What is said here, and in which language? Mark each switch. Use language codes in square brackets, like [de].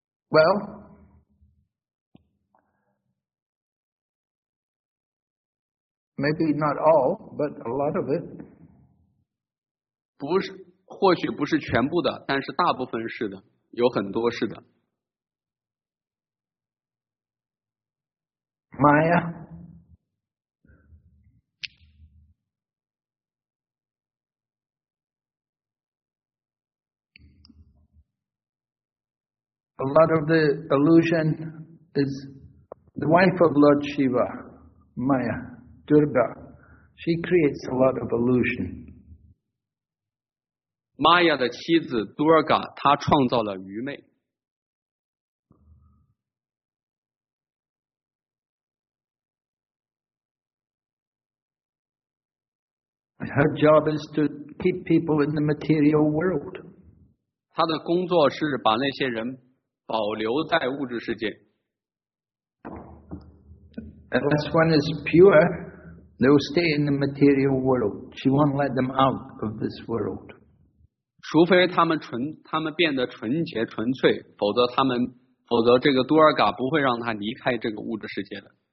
[en] Well, maybe not all, but a lot of it. [zh] 不是，或许不是全部的，但是大部分是的，有很多是的。 [en] Maya. A lot of the illusion is The wife of Lord Shiva, Maya, Durga, she creates a lot of illusion. [zh] Maya 的妻子 Durga, 她创造了愚昧。 [en] Her job is to keep people in the material world. [zh] 她的工作是把那些人保留在物质世界。 [en] Unless one is pure, they will stay in the material world. She won't let them out of this world. [zh] 除非他们变得纯洁纯粹，否则这个多尔嘎不会让他离开这个物质世界的。